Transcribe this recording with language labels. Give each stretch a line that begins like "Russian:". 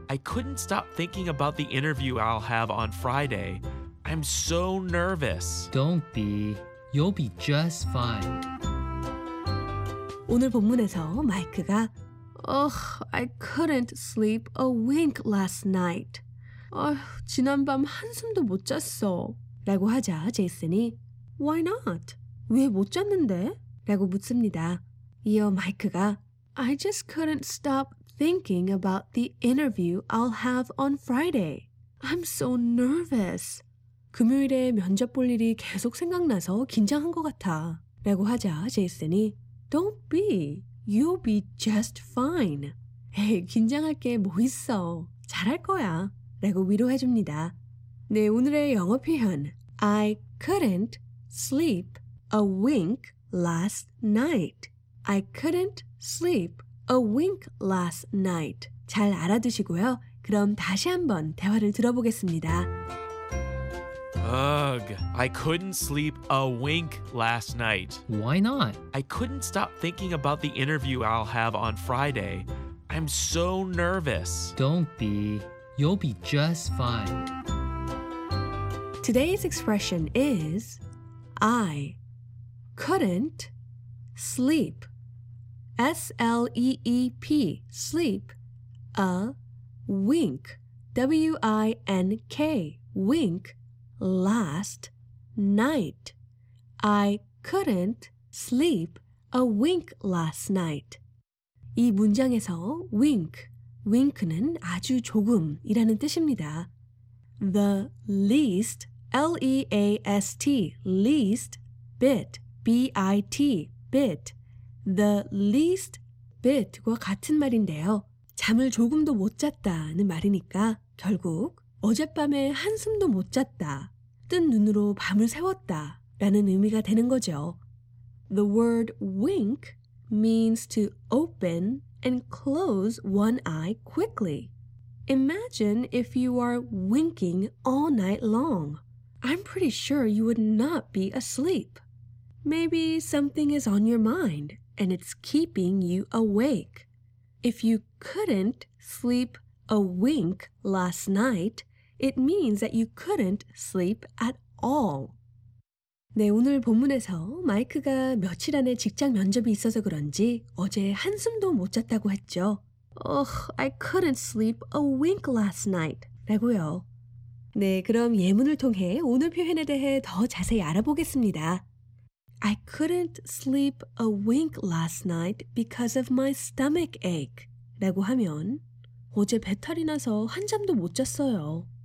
English: I couldn't stop thinking about the interview I'll have on Friday. I'm so nervous. Don't be. You'll be just fine.
Korean: 오늘 본문에서 마이크가
English: Ugh, I couldn't sleep a wink last night.
Korean: 지난밤 한숨도 못 잤어. 라고 하자 제이슨이
English: Why not?
Korean: 왜 못 잤는데? 라고 묻습니다.
English: 이어 마이크가 I just couldn't stop thinking about the interview I'll have on Friday. I'm so nervous.
Korean: 금요일에 면접 볼 일이 계속 생각나서 긴장한 것 같아. 라고 하자 제이슨이
English: Don't be. You'll be just fine.
Korean: 에이, 긴장할 게 뭐 있어. 잘할 거야. 라고 위로해 줍니다. 네, 오늘의 영어 표현.
English: I couldn't sleep a wink last night. I couldn't sleep a wink last night.
Korean: 잘 알아두시고요. 그럼 다시 한번 대화를 들어보겠습니다.
English: Ugh, I couldn't sleep a wink last night. Why not? I couldn't stop thinking about the interview I'll have on Friday. I'm so nervous. Don't be. You'll be just fine. Today's expression is I couldn't sleep. S-L-E-E-P, sleep, a wink, W-I-N-K, wink, last night. I couldn't sleep a wink last night.
Korean: 이 문장에서 wink, wink는 아주 조금이라는 뜻입니다.
English: The least, L-E-A-S-T, least bit, B-I-T, bit. The least bit과
Korean: 같은 말인데요. 잠을 조금도 못 잤다는 말이니까 결국 어젯밤에 한숨도 못 잤다, 뜬 눈으로 밤을 새웠다 라는 의미가 되는 거죠.
English: The word wink means to open and close one eye quickly. Imagine if you are winking all night long. I'm pretty sure you would not be asleep. Maybe something is on your mind. And it's keeping you awake. If you couldn't sleep a wink last night, it means that you couldn't sleep at all.
Korean: 네, 오늘 본문에서 마이크가 며칠 안에 직장 면접이 있어서 그런지 어제 한숨도 못 잤다고 했죠.
English: Ugh, I couldn't sleep a wink last night.
Korean: 라고요. 네, 그럼 예문을 통해 오늘 표현에 대해 더 자세히 알아보겠습니다.
English: I couldn't sleep a wink last night because of my stomach ache.
Korean: 라고 하면 어제 배탈이 나서 한잠도 못 잤어요.